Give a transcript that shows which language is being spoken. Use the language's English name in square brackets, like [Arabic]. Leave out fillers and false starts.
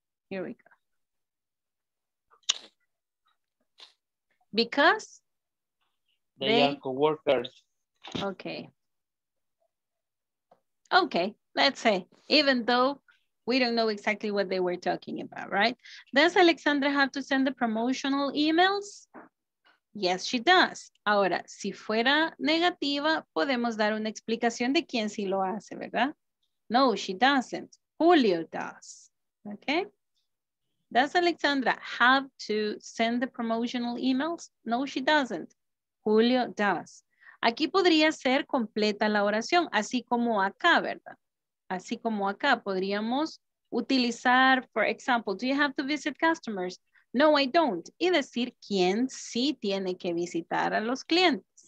[English] Here we go. Because? They are co-workers. Okay. Okay, let's say, even though we don't know exactly what they were talking about, right? Does Alexandra have to send the promotional emails? Yes, she does. [Spanish] Ahora, si fuera negativa, podemos dar una explicación de quién sí lo hace, ¿verdad? [English] No, she doesn't. Julio does. Okay. Does Alexandra have to send the promotional emails? No, she doesn't. Julio does. [Spanish] Aquí podría ser completa la oración, así como acá, ¿verdad? Así como acá podríamos utilizar, [English] for example, do you have to visit customers? No, I don't. [Spanish] Y decir quién sí tiene que visitar a los clientes.